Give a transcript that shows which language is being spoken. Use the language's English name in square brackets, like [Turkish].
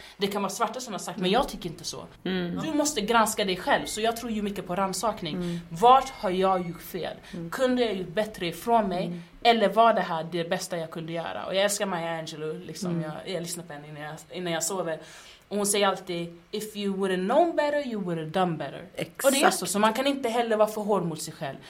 [Swedish] Det kan vara svarta som har sagt, men jag tycker inte så. Du måste granska dig själv. Så jag tror ju mycket på rannsakning. Vart har jag gjort fel? Kunde jag gjort bättre ifrån mig? Eller var det här det bästa jag kunde göra? Och jag älskar Maya Angelou liksom. Jag lyssnar på henne innan jag sover. Och hon säger alltid, [English] if you would have known better, you would have done better. [Swedish] Exakt. Och det är så man kan inte heller vara för hård mot sig själv.